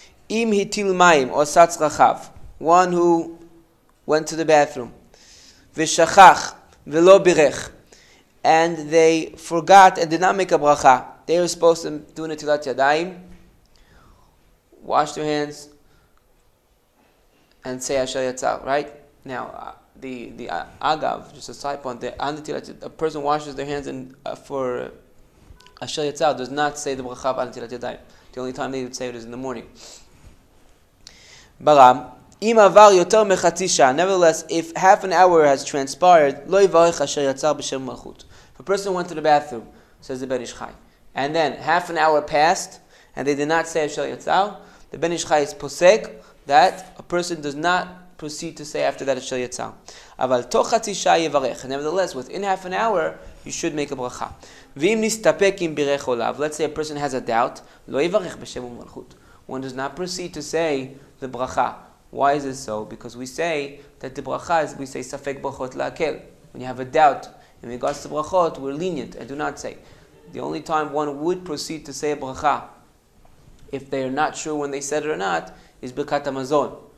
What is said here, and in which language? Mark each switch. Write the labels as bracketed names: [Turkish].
[Hebrew] אם הטיל מים או עשה צרכיו, [English] one who went to the bathroom, [Hebrew] ושכח ולא בירך, [English] and they forgot and did not make a bracha, they were supposed to do נטילת ידיים, wash their hands, and say אשר יצא, right? Now, agav, just a side point, a person washes their hands and for אשר יצא, does not say the bracha על נטילת ידיים. The only time they would say it is in the morning. [Hebrew] ברם, אם עבר יותר מחצי שעה, [English] nevertheless, if half an hour has transpired, [Hebrew] לא יברך אשר יצא בשם מלכות. [English] If a person went to the bathroom, says the Ben Ish Chai, and then half an hour passed, and they did not say אשר יצא, the Ben Ish Chai is posek, that a person does not proceed to say after that אשר יצא. [Hebrew] אבל תוך חצי שעה יברך, [English] nevertheless, within half an hour, you should make a ברכה. [Hebrew] ואם נסתפק אם בירך עוליו, [English] let's say a person has a doubt, [Hebrew] לא יברך בשם מלכות. [English] One does not proceed to say the bracha. Why is it so? Because we say that the bracha is, we say, safek brachot la'akel. When you have a doubt in regards to brachot, we're lenient and do not say. The only time one would proceed to say a bracha, if they are not sure when they said it or not, is birkat hamazon.